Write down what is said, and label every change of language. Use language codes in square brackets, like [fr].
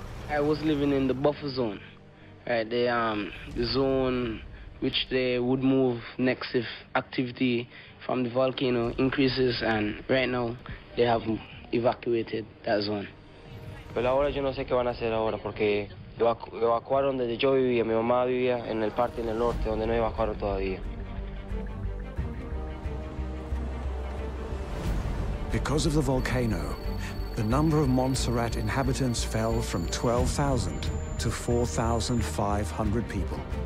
[en] I was living in the buffer zone, right? The zone which they would move next if activity from the volcano increases, and right now they have evacuated that zone. [es] Pero ahora yo no sé qué van a hacer ahora porque evacuaron desde yo vivía, mi mamá vivía en el parte en el norte donde no evacuaron todavía. [en] Because of the volcano, the number of Montserrat inhabitants fell from 12,000 to 4,500 people.